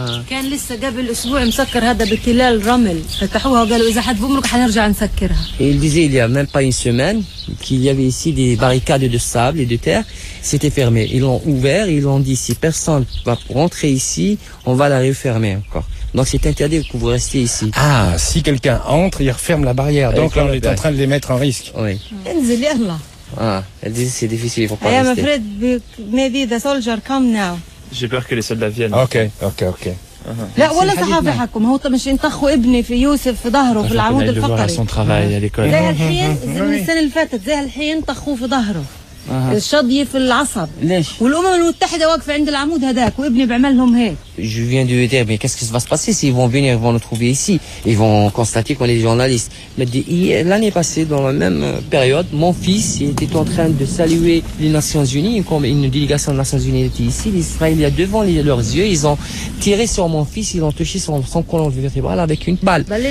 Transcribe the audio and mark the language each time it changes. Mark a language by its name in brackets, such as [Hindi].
[Arabic] كان لسه قبل اسبوع مسكر هذا بتلال رمل فتحوها وقالوا اذا حد بمرق حنرجع نسكرها [French] il disait il y a même pas une semaine qu'il y avait ici des barricades de sable et de terre, c'était fermé. Ils l'ont ouvert, ils l'ont dit si personne va rentrer ici, on va la refermer encore. Donc c'est interdit que vous restiez ici. Ah, si quelqu'un entre, il referme la barrière. Donc là on est en train de les mettre en risque. Oui. Ah, elle disait c'est difficile, il faut pas rester. [English] I am afraid maybe the soldier come now. [French] J'ai peur que les soldats viennent. OK, OK, OK. [Arabic] لا ولا تخاف حقكم هو مش انتخوا ابني في يوسف في ظهره في العمود الفقري. [French] Son travail à l'école. [Arabic] زي الحين السنة اللي فاتت زي الحين طخوا في ظهره. الشظية في العصب. ليش؟ والأمم المتحدة واقفة عند العمود هذاك وابني بعمل لهم هيك. [French] Je viens de lui dire, mais qu'est-ce qui va se passer s'ils vont venir, ils vont nous trouver ici. Ils vont constater qu'on est des journalistes. Mais l'année passée, dans la même période, mon fils était en train de saluer les Nations Unies. Une délégation des Nations Unies était ici. Les Israéliens, devant leurs yeux, ils ont tiré sur mon fils, ils ont touché son colon vertébral avec une balle.